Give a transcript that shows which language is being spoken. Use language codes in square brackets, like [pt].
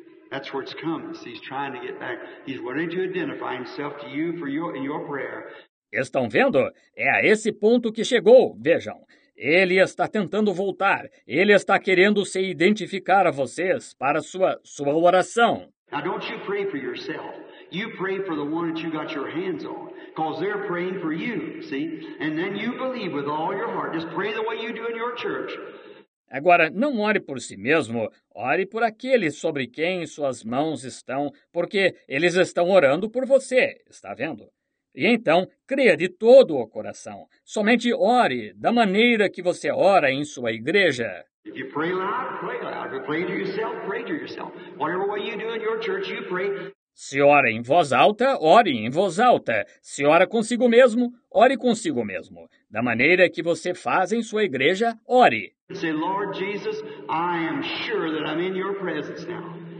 [en] That's where it's coming. He's trying to get back. He's wanting to identify himself to you for your prayer. [pt] Estão vendo? É a esse ponto que chegou, vejam. Ele está tentando voltar. Ele está querendo se identificar a vocês para sua oração. [en] Now don't you pray for yourself. You pray for the one that you got your hands on, because they're praying for you, see? And then you believe with all your heart. Just pray the way you do in your church. [pt] Agora, não ore por si mesmo. Ore por aquele sobre quem suas mãos estão, porque eles estão orando por você, está vendo? E então, creia de todo o coração. Somente ore da maneira que você ora em sua igreja. [en] If you pray loud, pray loud. If you pray to yourself, pray to yourself. Whatever way you do in your church, you pray. [pt] Se ora em voz alta, ore em voz alta. Se ora consigo mesmo, ore consigo mesmo. Da maneira que você faz em sua igreja, ore. [en] Say, Lord Jesus, I am sure that I'm in your presence now.